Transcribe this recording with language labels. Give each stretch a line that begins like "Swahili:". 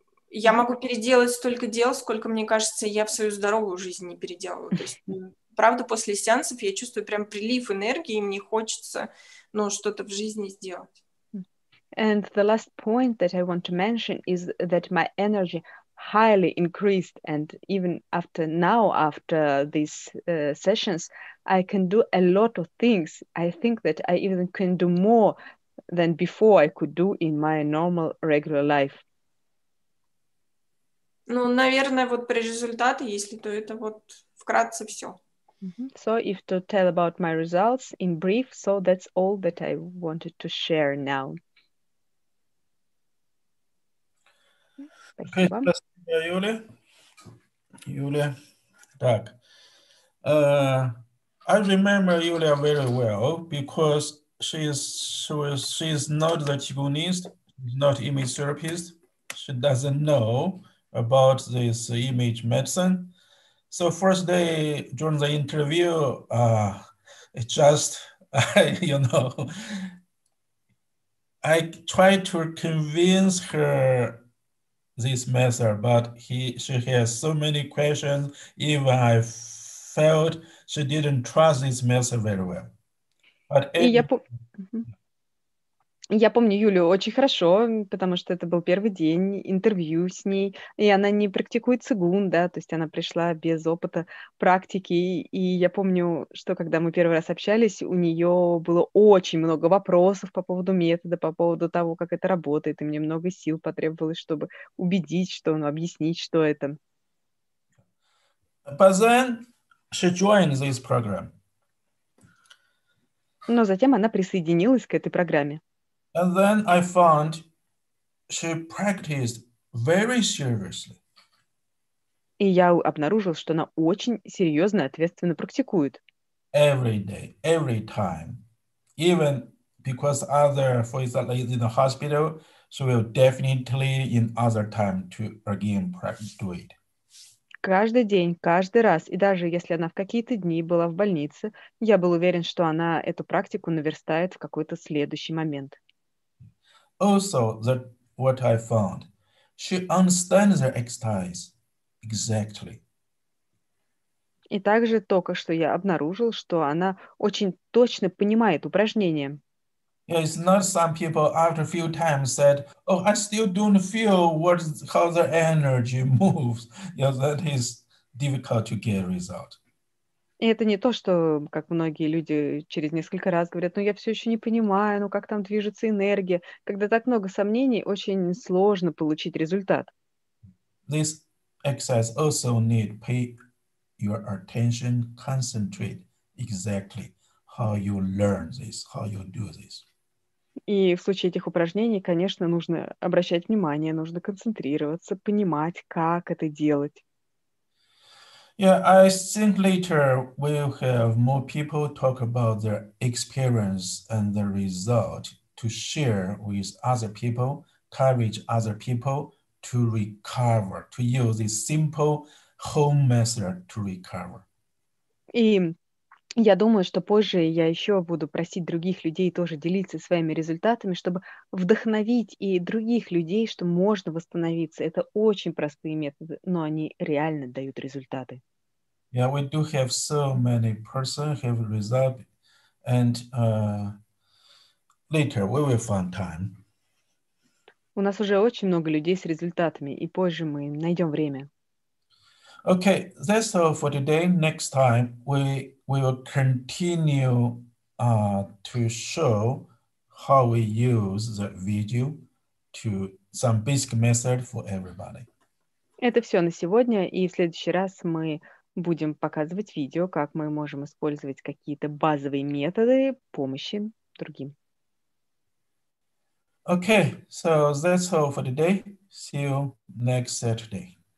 Russian: я могу переделать столько дел, сколько, мне кажется, я в свою здоровую жизнь не переделала. То есть, правда, после сеансов я чувствую прям прилив энергии, и мне хочется, ну, что-то в жизни сделать.
English: And the last point that I want to mention is that my energy highly increased, and even after now, after these sessions, I can do a lot of things. I think that I even can do more than before I could do in my normal regular life.
Russian: Ну, наверное, вот про результаты, если то это вот вкратце все.
English: So if to tell about my results in brief, so that's all that I wanted to share now.
Russian: Окей, Спасибо. спасибо, Юля. Юля. Так.
English: I remember Yulia very well because she is not the Qigongist, not image therapist. She doesn't know about this image medicine. So first day during the interview, it just, you know, I tried to convince her this method, but she has so many questions, even I felt she didn't trust this method very well. But
Russian: Я помню Юлю очень хорошо, потому что это был первый день интервью с ней, и она не практикует цигун, да, то есть она пришла без опыта практики, и я помню, что когда мы первый раз общались, у нее было очень много вопросов по поводу метода, по поводу того, как это работает, и мне много сил потребовалось, чтобы убедить, что, ну, объяснить, что это.
English: But then she joined this program.
Russian: Но затем она присоединилась к этой программе.
English: And then I found she practiced very seriously.
Russian: И я обнаружил, что она очень серьезно и ответственно практикует.
English: Every day, every time. Even because other, for example, in the hospital, she will definitely in other time to again practice, do it.
Russian: Каждый день, каждый раз, и даже если она в какие-то дни была в больнице, я был уверен, что она эту практику наверстает в какой-то следующий момент.
English: Also, that what I found, she understands the exercise exactly.
Russian: И также только что я обнаружил, что она очень точно понимает упражнения.
English: Yeah, it's not some people after a few times said, "Oh, I still don't feel what how the energy moves." Yeah, that is difficult to get a result.
Russian: И это не то, что, как многие люди через несколько раз говорят, ну, я все еще не понимаю, ну, как там движется энергия. Когда так много сомнений, очень сложно получить результат.
English: This exercise also need pay your attention, concentrate exactly how you learn this, how you do this.
Russian: И в случае этих упражнений, конечно, нужно обращать внимание, нужно концентрироваться, понимать, как это делать.
English: Yeah, I think later we'll have more people talk about their experience and the result to share with other people, encourage other people to recover, to use this simple home method to recover.
Russian: Я думаю, что позже я еще буду просить других людей тоже делиться своими результатами, чтобы вдохновить и других людей, что можно восстановиться. Это очень простые методы, но они реально дают результаты.
English: Yeah, we do have so many persons have result, and later we will find time.
Russian: У нас уже очень много людей с результатами, и позже мы найдем время.
English: Okay, that's all for today. Next time we will continue to show how we use the video to some basic method for everybody.
Russian: Это все на сегодня, и в следующий раз мы будем показывать видео, как мы можем использовать какие-то базовые методы помощи другим.
English: Okay, so that's all for today. See you next Saturday.